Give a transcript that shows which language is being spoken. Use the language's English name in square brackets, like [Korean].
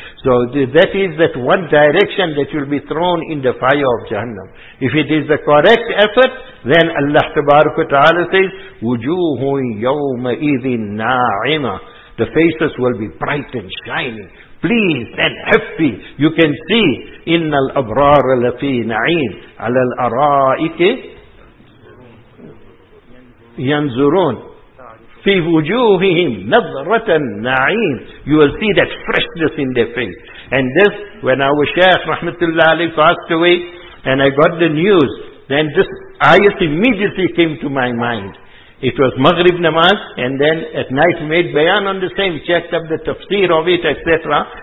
[English] So that is that one direction that you'll be thrown in the fire of Jahannam. If it is the correct effort, then Allah Tabaraka Ta'ala says, [Arabic] وُجُوهٌ يَوْمَئِذٍ نَاعِمَةٌ. [English] The faces will be bright and shining, pleased and happy. You can see, [Arabic] إِنَّ الْأَبْرَارَ لَفِي نَعِيمٍ عَلَى الْأَرَائِكِ يَنْزُرُونَ في وجوههم نظرة النعيم. [English] You will see that freshness in their face. And this, when our Shaykh Rahmatullah Ali passed away, and I got the news, then this ayat immediately came to my mind. It was Maghrib namaz, and then at night made bayan on the same, checked up the tafsir of it, etc.